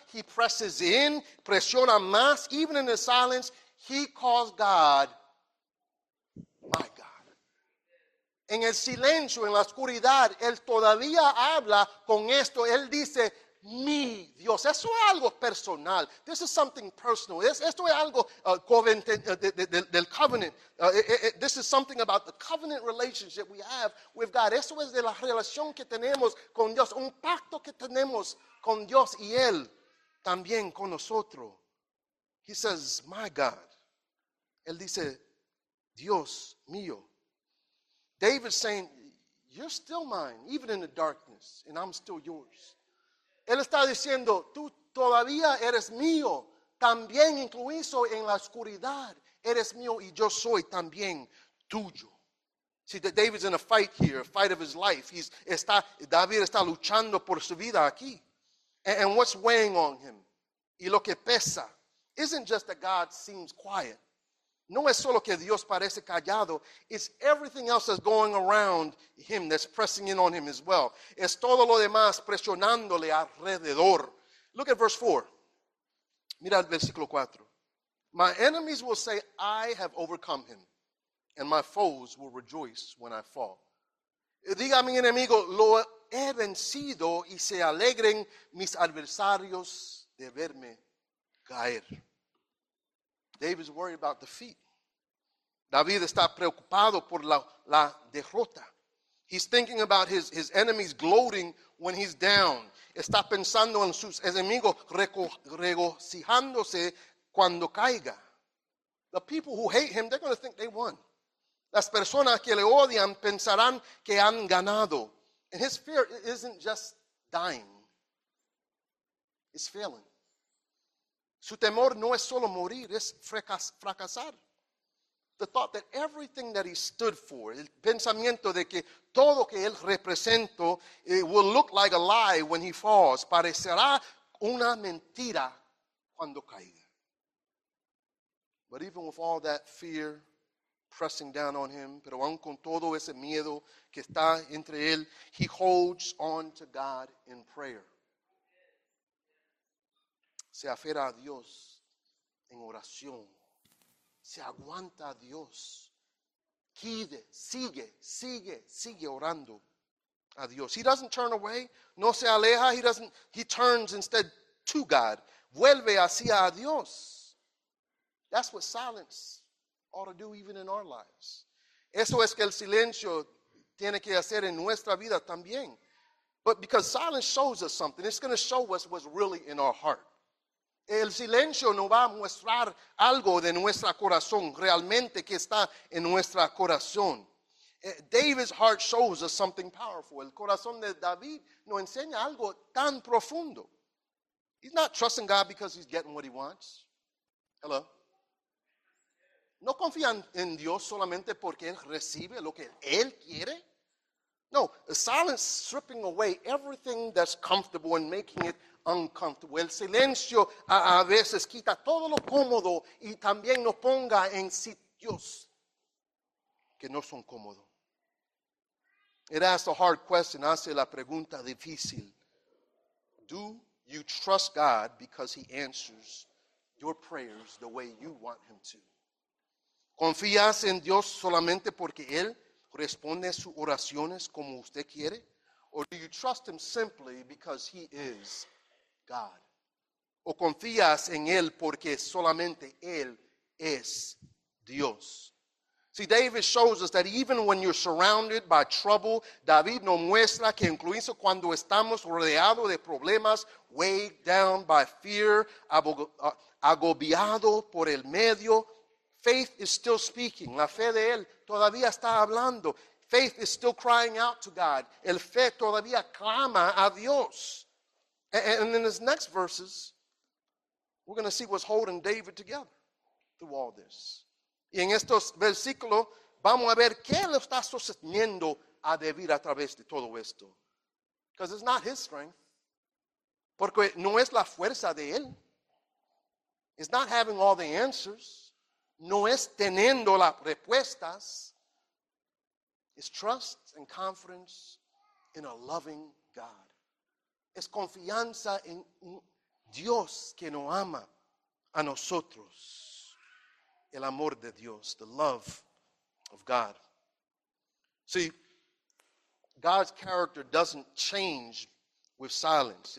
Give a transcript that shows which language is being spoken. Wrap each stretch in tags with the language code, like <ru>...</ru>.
<en>He presses in,</en> <es>presiona más.</es> <en>Even in the silence, he calls God, my God.</en> <es>En el silencio, en la oscuridad, él todavía habla con esto. Él dice, mi Dios. Eso es algo personal.</es> <en>This is something personal.</en> <es>Esto es algo del covenant.</es> <en>This is something about the covenant relationship we have with God.</en> <es>Eso es de la relación que tenemos con Dios. Un pacto que tenemos con Dios y Él también con nosotros.</es> <en>He says, my God.</en> <es>Él dice, Dios mío.</es> <en>David's saying, you're still mine, even in the darkness, and I'm still yours.</en> <es>Él está diciendo, tú todavía eres mío, también incluso en la oscuridad, eres mío y yo soy también tuyo.</es> <en>See, David's in a fight here, a fight of his life.</en> <es>David está luchando por su vida aquí.</es> <en>And what's weighing on him,</en> <es>y lo que pesa,</es> <en>isn't just that God seems quiet.</en> <es>No es solo que Dios parece callado,</es> <en>it's everything else that's going around him that's pressing in on him as well.</en> <es>Es todo lo demás presionándole alrededor.</es> <en>Look at verse 4.</en> <es>Mira el versículo 4.</es> <en>My enemies will say, I have overcome him, and my foes will rejoice when I fall.</en> <es>Diga a mi enemigo, lo he vencido, y se alegren mis adversarios de verme caer.</es> <en>David is worried about defeat.</en> <es>David está preocupado por la derrota.</es> <en>He's thinking about his enemies gloating when he's down.</en> <es>Está pensando en sus enemigos regocijándose cuando caiga.</es> <en>The people who hate him, they're going to think they won.</en> <es>Las personas que le odian pensarán que han ganado.</es> <en>And his fear isn't just dying. It's failing.</en> <es>Su temor no es solo morir, es fracasar.</es> <en>The thought that everything that he stood for,</en> <es>el pensamiento de que todo que él representó,</es> <en>it will look like a lie when he falls,</en> <es>parecerá una mentira cuando caiga. But even with all that fear pressing down on him, pero aun con todo ese miedo que está entre él, he holds on to God in prayer. Se aferra a Dios en oración. Se aguanta a Dios. Sigue orando a Dios.</es> <en>He doesn't turn away.</en> <es>No se aleja.</es> <en>He turns instead to God.</en> <es>Vuelve hacia a Dios.</es> <en>That's what silence ought to do even in our lives.</en> <es>Eso es que el silencio tiene que hacer en nuestra vida también.</es> <en>But because silence shows us something, it's going to show us what's really in our heart.</en> <es>El silencio no va a mostrar algo de nuestro corazón, realmente que está en nuestro corazón.</es> <en>David's heart shows us something powerful.</en> <es>El corazón de David nos enseña algo tan profundo.</es> <en>He's not trusting God because he's getting what he wants. Hello?</en> <es>No confía en Dios solamente porque él recibe lo que él quiere.</es> <en>No, silence stripping away everything that's comfortable and making it uncomfortable.</en> <es>El silencio a veces quita todo lo cómodo y también nos ponga en sitios que no son cómodos.</es> <en>It asks a hard question,</en> <es>hace la pregunta difícil.</es> <en>Do you trust God because he answers your prayers the way you want him to?</en> <es>¿Confías en Dios solamente porque él responde sus oraciones como usted quiere?</es> <en>Or do you trust him simply because he is God?</en> <es>¿O confías en él porque solamente él es Dios?</es> <en>See, David shows us that even when you're surrounded by trouble,</en> <es>David nos muestra que incluso cuando estamos rodeados de problemas,</es> <en>weighed down by fear,</en> <es>agobiado por el medio,</es> <en>faith is still speaking.</en> <es>La fe de él todavía está hablando.</es> <en>Faith is still crying out to God.</en> <es>El fe todavía clama a Dios.</es> <en>And in his next verses, we're going to see what's holding David together through all this.</en> <es>Y en estos versículos, vamos a ver qué lo está sosteniendo a David a través de todo esto.</es> <en>Because it's not his strength.</en> <es>Porque no es la fuerza de él.</es> <en>It's not having all the answers.</en> <es>No es teniendo las respuestas.</es> <en>It's trust and confidence in a loving God.</en> <es>Es confianza en Dios que nos ama a nosotros. El amor de Dios,</es> <en>the love of God. See, God's character doesn't change with silence.</en>